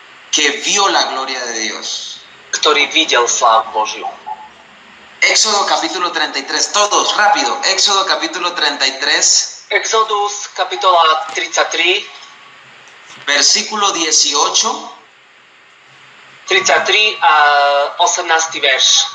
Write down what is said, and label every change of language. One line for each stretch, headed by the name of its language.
Spanish: que vio la gloria de Dios.
Slovak: Ktorý videl slávu Božiu.
Spanish: Éxodo capítulo 33, todos, rápido. Éxodo capítulo 33.
Slovak: Exodus kapitola 33.
Spanish: Versículo 18.
Slovak: 33 a 18. verš.